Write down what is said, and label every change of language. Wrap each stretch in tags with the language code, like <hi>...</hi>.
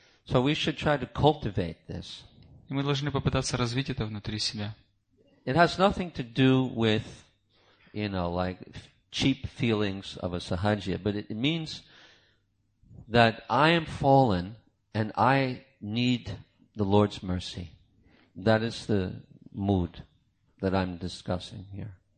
<en>So we should try to cultivate this.</en> <ru>И мы должны попытаться развить это внутри себя.</ru> <en>It has nothing to do with, you know, like cheap feelings of a sahajiya, but it means that I am fallen and I need the Lord's mercy. That is the mood that I'm discussing here.</en>